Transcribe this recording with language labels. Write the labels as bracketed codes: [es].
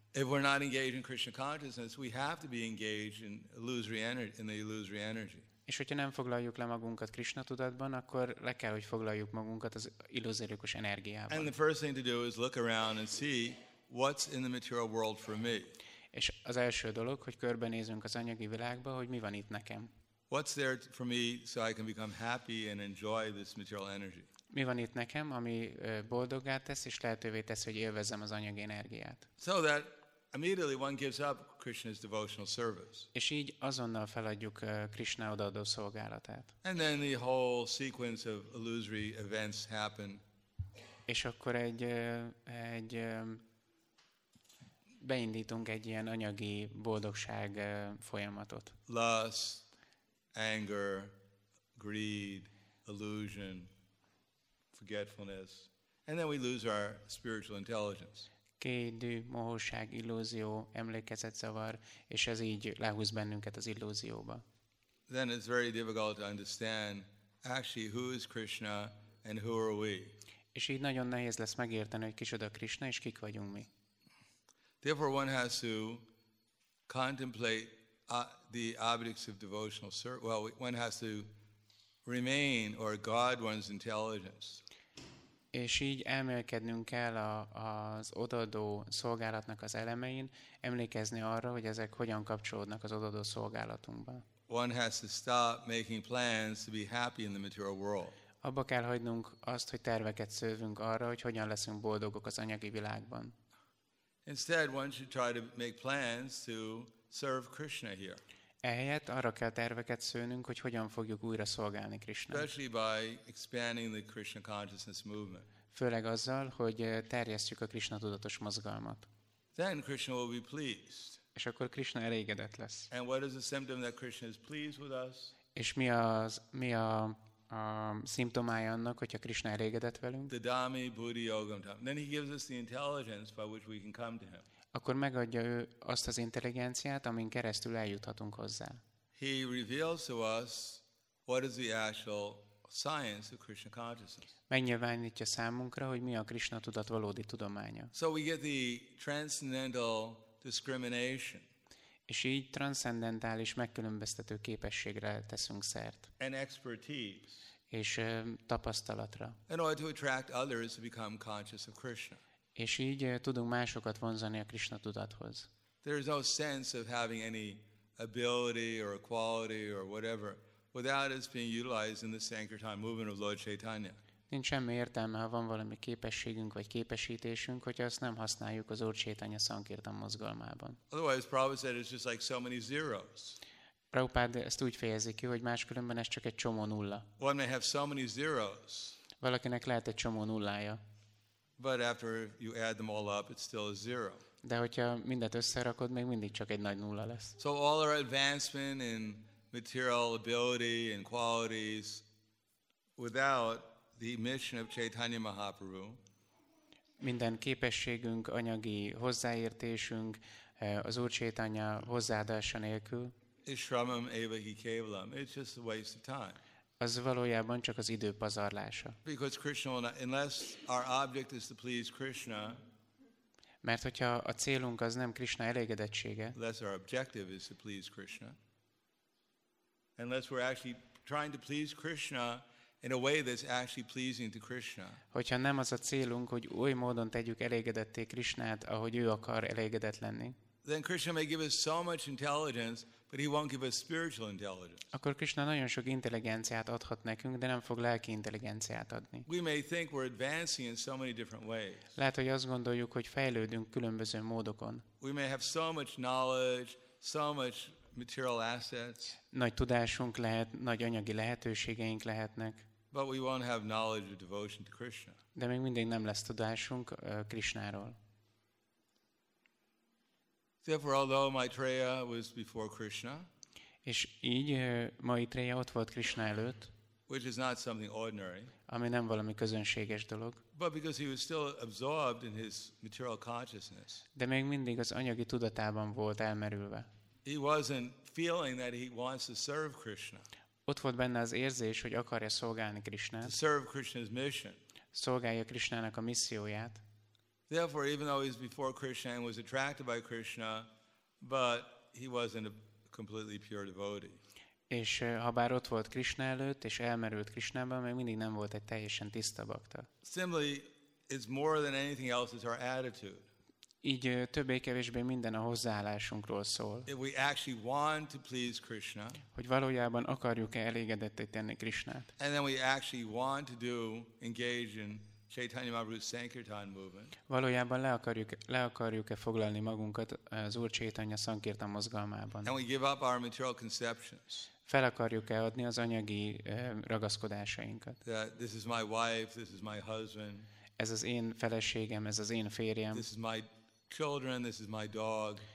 [en] If we're not engaged in Krishna consciousness, we have to be engaged in illusory energy, in the illusory energy. [hu] És hogyha nem foglaljuk le magunkat Krishna tudatban, akkor le kell, hogy foglaljuk magunkat az illuziós energiában. [en] And the first thing to do is look around and see what's in the material world for me. [hu] És az első dolog, hogy körbenézünk az anyagi világba, hogy mi van itt nekem. [en] What's there for me so I can become happy and enjoy this material energy? [hu] Mi van itt nekem, ami boldoggá tesz és lehetővé tesz, hogy élvezzem az anyagi energiát. [en] So that immediately one gives up Krishna's devotional service. [hu] És így azonnal feladjuk Krishna odaadó szolgálatát. [en] And then the whole sequence of illusory events happen. [hu] És akkor egy beindítunk egy ilyen anyagi boldogság folyamatot. [en] Lust, anger, greed, illusion, forgetfulness, and then we lose our spiritual intelligence. [hu] Kédű, mohóság, illúzió, emlékezetzavar, és ez így lehúz bennünket az illúzióba. [en] Then it's very difficult to understand actually who is Krishna and who are we. [hu] És így nagyon nehéz lesz megérteni, hogy kicsoda Krishna és kik vagyunk mi. [en] Therefore one has to contemplate the objects of devotional service. Well, one has to remain or guard one's intelligence. [hu] És így emlékeznünk kell az odaadó szolgálatnak az elemein, emlékezni arra, hogy ezek hogyan kapcsolódnak az odaadó szolgálatunkba. [en] One has to stop making plans to be happy in the material world. [hu] Abba kell hagynunk azt, hogy terveket szövünk arra, hogy hogyan leszünk boldogok az anyagi világban. [en] Instead, one should try to make plans to serve Krishna here. [hu] Ehelyett arra kell terveket szőnünk, hogy hogyan fogjuk újra szolgálni Krishnát. [en] Especially by expanding the Krishna consciousness movement. [hu] Főleg azzal, hogy terjesztjük a Krishna tudatos mozgalmat. [en] Then Krishna will be pleased. [hu] És akkor Krishna elégedett lesz. [en] And what is the symptom that Krishna is pleased with us? [hu] És mi a szimptomája annak, hogyha Krishna elégedett velünk? [sa] The dami buddhi yogam. [en] Then he gives us the intelligence by which we can come to him. [hu] Akkor megadja ő azt az intelligenciát, amin keresztül eljuthatunk hozzá. [en] He reveals to us what is the actual science of Krishna consciousness. [hu] Megnyilvánítja számunkra, hogy mi a Krishna tudat valódi tudománya. [en] So we get the transcendental discrimination. [hu] És így transzcendentális megkülönböztető képességre teszünk szert. [en] An expertise. [hu] És tapasztalatra. [en] In order to attract others to become conscious of Krishna. [hu] És így tudunk másokat vonzani a Krishna tudathoz. [en] There is no sense of having any ability or quality or whatever without it being utilized in the Sankirtan movement of Lord Chaitanya. [hu] Nincs semmi értelme, ha van valami képességünk vagy képesítésünk, hogyha azt nem használjuk az Úr Chaitanya Sankirtan mozgalmában. [en] Otherwise, Prabhupada said it's just like so many zeros. [hu] Prabhupada ezt úgy fejezi ki, hogy máskülönben ez csak egy csomó nulla. [en] One may have so many zeros. [hu] Valakinek lehet egy csomó nullája. [en] But after you add them all up, it's still a zero. [hu] De hogyha mindet összerakod, még mindig csak egy nagy nulla lesz. [en] So all our advancement in material ability and qualities without the mission of Chaitanya Mahaprabhu. [hu] Minden képességünk, anyagi hozzáértésünk az Úr Chaitanya hozzáadása nélkül. [sa] Ishramam eva hi kevalam. [en] It's just a waste of time. [hu] Az valójában csak az idő pazarlása. [en] Because Krishna will not, unless our object is to please Krishna. [hu] Mert hogyha a célunk az nem Krishna elégedettsége. [en] Unless our objective is to please Krishna. Unless we're actually trying to please Krishna in a way that's actually pleasing to Krishna. [hu] Hogyha nem az a célunk, hogy oly módon tegyük elégedetté Krishnát, ahogy ő akar elégedett lenni. [en] Then Krishna may give us so much intelligence, but he won't give us spiritual intelligence. [hu] Akkor Krishna nagyon sok intelligenciát adhat nekünk, de nem fog lelki intelligenciát adni. [en] We may think we're advancing in so many different ways. [hu] Lehet, hogy azt gondoljuk, hogy fejlődünk különböző módokon. [en] We may have so much knowledge, so much material assets. [hu] Nagy tudásunk lehet, nagy anyagi lehetőségeink lehetnek. [en] But we won't have knowledge or devotion to Krishna. [hu] De még mindig nem lesz tudásunk Krishnáról. [en] Therefore, although Maitreya was before Krishna, [hu] és így Maitreya ott volt Krishna előtt, [en] which is not something ordinary, [hu] ami nem valami közönséges dolog, [en] but because he was still absorbed in his material consciousness, [hu] de még mindig az anyagi tudatában volt elmerülve. [en] He wasn't feeling that he wants to serve Krishna. [hu] Ott volt benne az érzés, hogy akarja szolgálni Krishnát. [en] To serve Krishna's mission. [hu] Szolgálja Krishnának a misszióját. [en] Therefore, even though he was before Krishna and was attracted by Krishna, but he wasn't a completely pure devotee. [hu] És ha bár ott volt Krishna előtt és elmerült Krishnában, még mindig nem volt egy teljesen tiszta bhakta. [en] Similarly, it's more than anything else is our attitude. [hu] Így többé-kevésbé minden a hozzáállásunkról szól. [en] If we actually want to please Krishna, [hu] hogy valójában akarjuk-e elégedetté tenni Krishnát. [en] And then we actually want to do engage in Chaitanya Mahaprabhu's Sankirtan movement. [hu] Valójában le akarjuk-e foglalni magunkat az Úr Chaitanya Sankirtan mozgalmában. [en] And we give up our material conceptions. [hu] Fel akarjuk-e adni az anyagi ragaszkodásainkat. [en] That this is my wife, this is my husband. [hu] Ez az én feleségem, ez az én férjem. [en] This is my children, this is my dog.